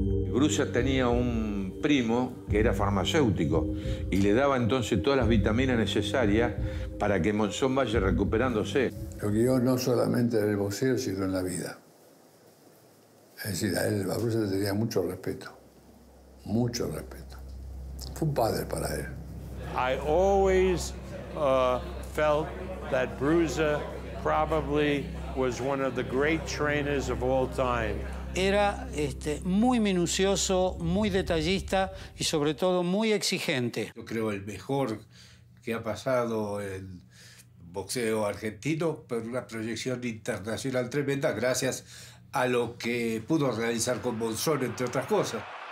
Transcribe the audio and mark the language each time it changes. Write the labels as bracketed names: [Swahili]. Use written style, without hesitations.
[Spanish] Brusa tenía un primo que era farmacéutico y le daba entonces todas las vitaminas necesarias para que Monzón vaya recuperándose. Lo guió no solamente en el boxeo, sino en la vida. Es decir, a él, a Brusa, le tenía mucho respeto. Mucho respeto. Fue un padre para él. [English] I always felt that Brusa probably was one of the great trainers of all time. [Spanish] Era muy minucioso, muy detallista y sobre todo muy exigente. Yo creo el mejor que ha pasado en boxeo argentino, pero una proyección internacional tremenda gracias a lo que pudo realizar con Monzón, entre otras cosas.